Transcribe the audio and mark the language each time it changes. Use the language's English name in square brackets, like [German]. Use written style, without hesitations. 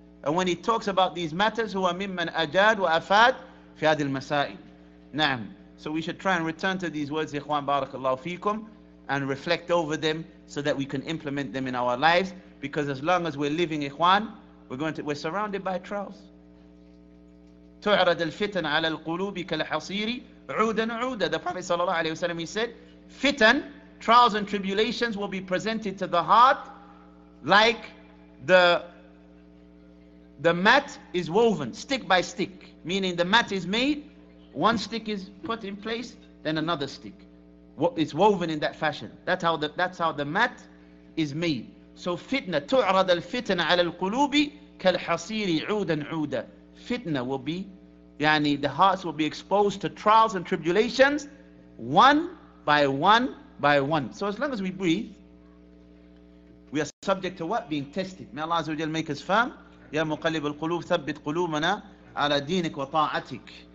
[English] And when he talks about these matters, [Arabic] huwa mimman ajad wa afad fi hadhihi al-masail, na'am. [English] So we should try and return to these words, [Arabic] ikhwan barakallahu feekum, [English] and reflect over them so that we can implement them in our lives, because as long as we're living, ikhwan, we're surrounded by trials. [Arabic] تعرض الفتن على القلوب كالحصير عودا عودا. [English] The Prophet sallallahu alaihi wasallam, he said, fitan, trials and tribulations, will be presented to the heart like the mat is woven stick by stick, meaning the mat is made, one stick is put in place, then another stick, it's woven in that fashion. That's how the mat is made. [Arabic] So fitna, تعرض الفتن على القلوب كالحصير عودا عودا. [English] Fitna will be, yani the hearts will be exposed to trials and tribulations one by one by one. So as long as we breathe, we are subject to what? Being tested. May Allah Azza wa Jal make us firm. [Arabic] Ya muqallib al-qulub, thabbit qulubana ala deenik wa ta'atik.